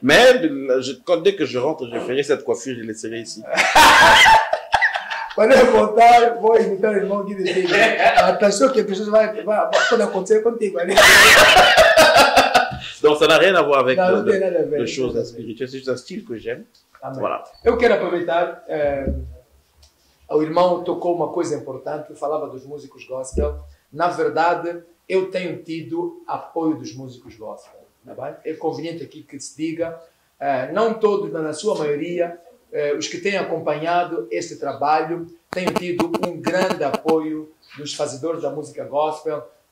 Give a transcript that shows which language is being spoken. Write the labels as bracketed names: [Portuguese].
[Portuguese] Mas quando que [French] je rentre, je ferai cette coiffure, je laisserai ici. [Portuguese] Quando eu voltar, vou imitar o irmão Gui de Zé. Atenção que a pessoa vai pode acontecer contigo. [French] Donc, ça n'a rien à voir avec les choses spirituelles. C'est juste un style que j'aime. Voilà. [Portuguese] Eu quero aproveitar. O irmão tocou uma coisa importante. Falava dos músicos gospel. Na verdade, eu tenho tido apoio dos músicos gospel. Tá bem? É conveniente aqui que se diga. Não todos, mas na sua maioria, os que têm acompanhado este trabalho, têm tido um grande apoio dos fazedores da música gospel.